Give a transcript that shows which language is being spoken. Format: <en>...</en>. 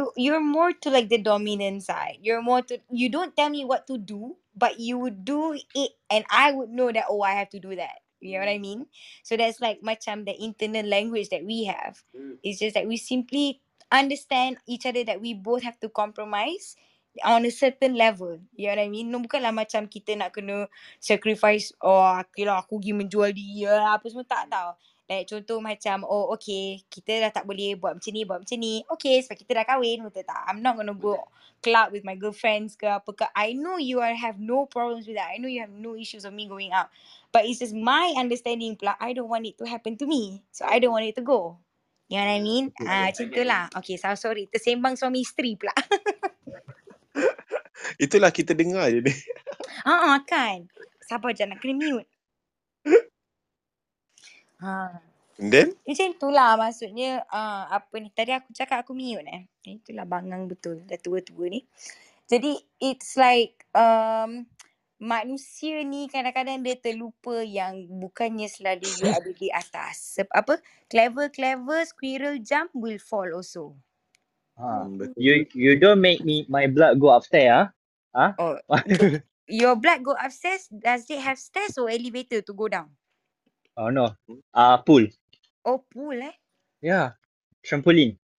<en>You're more to like the dominant side. You're more to, you don't tell me what to do but you do it and I would know that oh I have to do that. You know what I mean? So that's like</en> <ms>macam</ms> <en>the internal language that we have. It's just that we simply understand each other that we both have to compromise on a certain level. You know what I mean?</en> <ms>No, bukanlah macam kita nak kena sacrifice. Oh, okay lah, aku pergi menjual dia lah. Apa semua tak tahu. Like contoh macam, oh okay, kita dah tak boleh buat macam ni, buat macam ni. Okay, sebab kita dah kahwin. Betul tak?</ms> <en>I'm not gonna go club with my girlfriends</en> <ms>ke apa ke.</ms> <en>I know you are have no problems with that. I know you have no issues of me going out. But it's just my understanding</en> <ms>pula,</ms> <en>I don't want it to happen to me. So I don't want it to go. You know what I mean?</en> <ms>Macam itulah.</ms> <en>Okay, so sorry.</en> <ms>Tersembang suami isteri pula. Itulah kita dengar je ni. Haa kan. Sabar je nak kena mute.</ms> <en>And then?</en> <ms>Macam itulah maksudnya. Apa ni. Tadi aku cakap aku mute eh. Itulah bangang betul. Dah tua-tua ni. Jadi</ms> <en>it's like</en> <ms>manusia ni kadang-kadang dia terlupa yang bukannya selalu dia ada di atas. Apa?</ms> <en>Clever-clever squirrel jump will fall also. You don't make me my blood go upstairs, huh? Huh? Oh, your blood go upstairs, does it have stairs or elevator to go down? Oh no, pool. Oh, pool eh? Yeah, trampoline.</en>